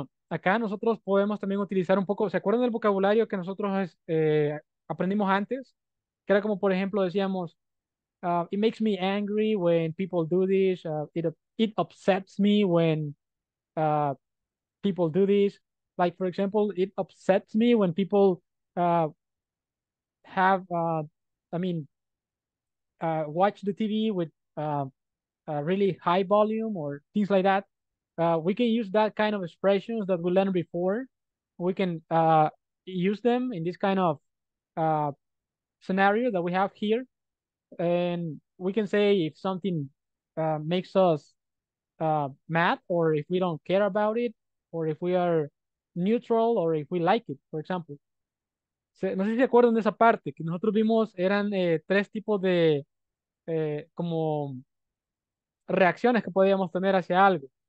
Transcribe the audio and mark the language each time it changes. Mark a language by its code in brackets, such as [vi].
[es] Acá nosotros podemos también utilizar un poco. ¿Se acuerdan del vocabulario que nosotros aprendimos antes? Que era como, por ejemplo, decíamos. [en] It makes me angry when people do this. It upsets me when people do this. Like, for example, it upsets me when people watch the TV with a really high volume or things like that. We can use that kind of expressions that we learned before. We can use them in this kind of scenario that we have here. And we can say if something makes us mad, or if we don't care about it, or if we are neutral or if we like it, for example. [es] No sé si se acuerdan de esa parte que nosotros vimos, eran tres tipos de como reacciones que podíamos tener hacia algo.